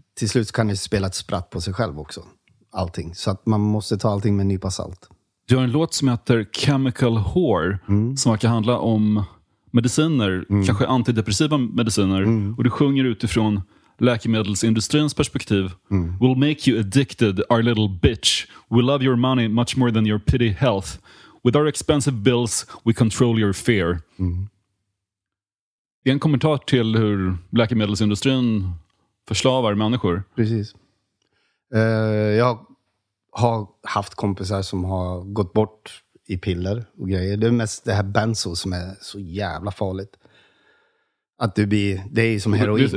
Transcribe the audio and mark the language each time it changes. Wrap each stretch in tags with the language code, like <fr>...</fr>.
<sv>Till slut kan det spela ett spratt på sig själv också. Allting. Så att man måste ta allting med en nypa salt. Du har en låt som heter Chemical Whore. Mm. Som kan handla om mediciner. Mm. Kanske antidepressiva mediciner. Mm. Och du sjunger utifrån läkemedelsindustrins perspektiv. Mm.</sv> <en>We'll make you addicted, our little bitch. We love your money much more than your pity health. With our expensive bills, we control your fear. Mm.</en> <sv>En kommentar till hur läkemedelsindustrin förslavar människor. Precis. Jag har haft kompisar som har gått bort i piller och grejer. Det är mest det här benzo som är så jävla farligt. Att du blir, det är som heroin.</sv>